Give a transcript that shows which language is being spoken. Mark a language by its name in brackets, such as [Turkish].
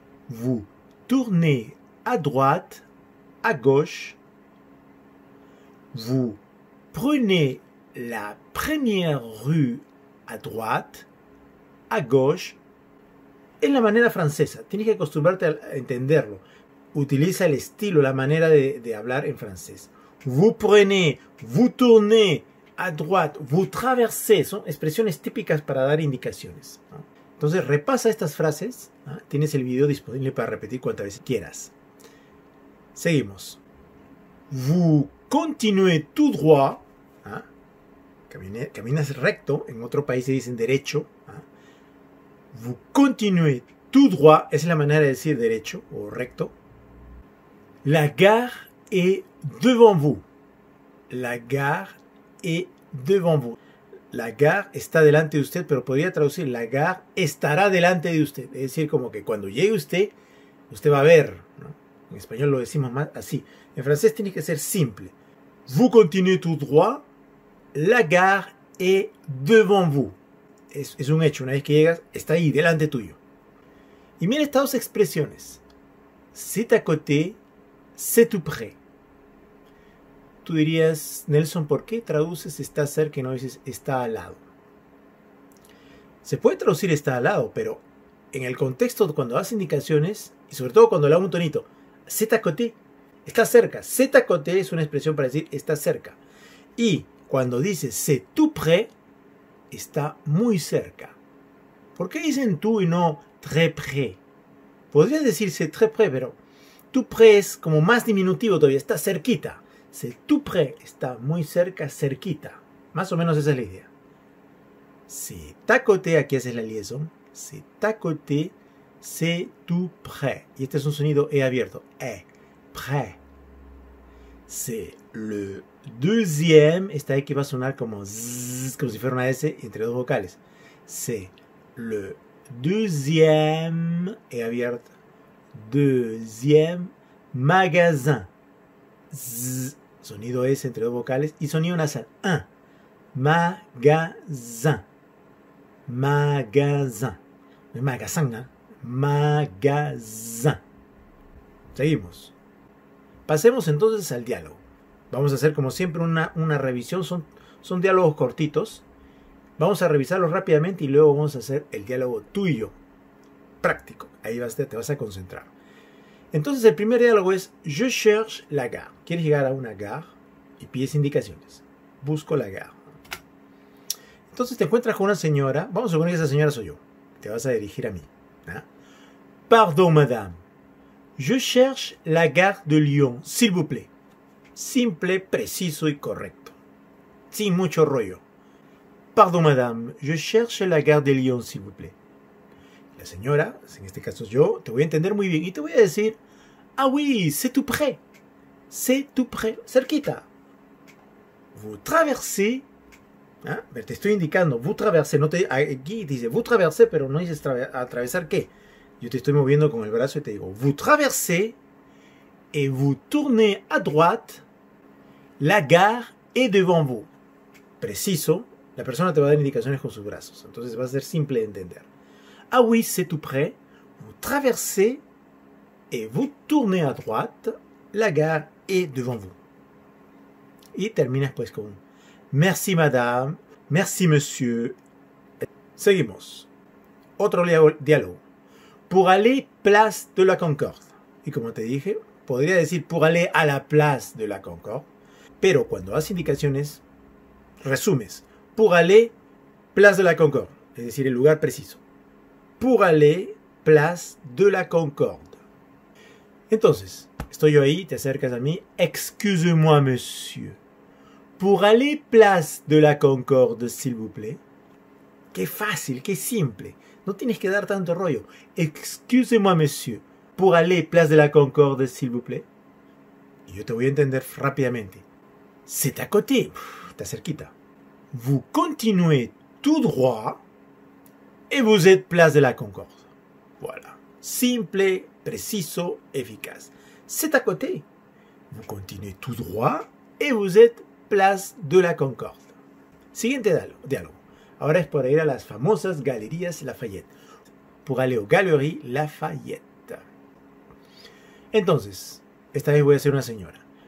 [French] Vous tournez à droite, à gauche, vous prenez la première rue à droite, à gauche. [Spanish] Es la manera francesa. Tienes que acostumbrarte a entenderlo. Utiliza el estilo, la manera de hablar en francés. [French] Vous prenez, vous tournez à droite, vous traversez. [Spanish] Son expresiones típicas para dar indicaciones, ¿no? Entonces repasa estas frases, ¿no? Tienes el video disponible para repetir cuantas veces quieras. Seguimos. [French] Vous continuez tout droit. [Spanish] ¿Ah? Caminas recto. En otro país se dicen derecho. ¿Ah? [French] Vous continuez tout droit, [Spanish] es la manera de decir derecho o recto. [French] La gare est devant vous. La gare est devant vous. [Spanish] La gare está delante de usted, pero podría traducir la gare estará delante de usted. Es decir, como que cuando llegue usted, usted va a ver, ¿no? En español lo decimos más así. En francés tiene que ser simple. [French] Vous continuez tout droit. La gare est devant vous. [Spanish] Es un hecho. Una vez que llegas, está ahí, delante tuyo. Y mira estas dos expresiones. [French] C'est à côté, c'est tout près. [Spanish] Tú dirías, Nelson, ¿por qué traduces está cerca y no dices está al lado? Se puede traducir está al lado, pero en el contexto cuando das indicaciones, y sobre todo cuando le hago un tonito, [French] c'est à côté, [Spanish] está cerca. [French] C'est à côté [Spanish] es una expresión para decir está cerca. Y cuando dices [French] c'est tout près, [Spanish] está muy cerca. ¿Por qué dicen tú y no très près? Podrías decir [French] c'est très près, [Spanish] pero [French] tout près [Spanish] es como más diminutivo todavía, está cerquita. [French] C'est tout près, [Spanish] está muy cerca, cerquita. Más o menos esa es la idea. [French] C'est à côté, [Spanish] aquí haces la liaison. [French] C'est à côté, c'est tout près. [Spanish] Y este es un sonido E abierto. E, près. [French] C'est le deuxième, [Spanish] esta E que va a sonar como zzz, como si fuera una S entre dos vocales. [French] C'est le deuxième, [Spanish] E abierto. [French] Deuxième magasin. Zzz. [Spanish] Sonido S entre dos vocales y sonido nasal. [French] Un. Magasin. Magasin. [Spanish] No es [French] magasin, ¿no? [Spanish] Magasin. Seguimos. Pasemos entonces al diálogo. Vamos a hacer como siempre una revisión. Son diálogos cortitos. Vamos a revisarlos rápidamente y luego vamos a hacer el diálogo tuyo. Práctico. Ahí vas, te vas a concentrar. Entonces el primer diálogo es [French] Je cherche la gare. [Spanish] ¿Quieres llegar a una gare? Y pides indicaciones. Busco la gare. Entonces te encuentras con una señora. Vamos a suponer que esa señora soy yo. Te vas a dirigir a mí, ¿no? [French] Pardon, madame. Je cherche la gare de Lyon, s'il vous plaît. [Spanish] Simple, preciso y correcto. Sin mucho rollo. [French] Pardon, madame. Je cherche la gare de Lyon, s'il vous plaît. [Spanish] La señora, en este caso yo, te voy a entender muy bien. Y te voy a decir, [French] ah oui, c'est tout près. C'est tout près. [Spanish] Cerquita. [French] Vous traversez, ¿eh? [Spanish] Te estoy indicando, [French] vous traversez, [Spanish] no te, aquí dice vous traversez, pero no dices atravesar qué. Yo te estoy moviendo con el brazo y te digo, [French] vous traversez et vous tournez à droite, la gare est devant vous. [Spanish] Preciso, la persona te va a dar indicaciones con sus brazos, entonces va a ser simple de entender. [French] Ah oui, c'est tout près, vous traversez et vous tournez à droite, la gare est devant vous. [Spanish] Y terminas pues con [French] merci madame, merci monsieur. [Spanish] Seguimos. Otro diálogo. [French] Pour aller place de la Concorde. [Spanish] Y como te dije, podría decir [French] pour aller à la place de la Concorde. [Spanish] Pero cuando das indicaciones, resumes. [French] Pour aller place de la Concorde. [Spanish] Es decir, el lugar preciso. [French] Pour aller place de la Concorde. [Spanish] Entonces, estoy yo ahí, te acercas a mí. [French] Excuse-moi monsieur. Pour aller place de la Concorde, s'il vous plaît. [Spanish] Qué fácil, qué simple. No tienes que dar tanto rollo. [French] Excusez-moi, monsieur. Pour aller place de la Concorde, s'il vous plaît. [Spanish] Y yo te voy a entender rápidamente. [French] C'est à côté. [Spanish] Está cerquita. [French] Vous continuez tout droit. Et vous êtes place de la Concorde. Voilà. [Spanish] Simple, preciso, eficaz. [French] C'est à côté. Vous continuez tout droit. Et vous êtes Place de la Concorde. [Spanish] Siguiente diálogo. Ahora es para ir a las famosas Galerías Lafayette. [French] Pour aller aux Galeries Lafayette. [Spanish] Entonces, esta vez voy a ser una señora.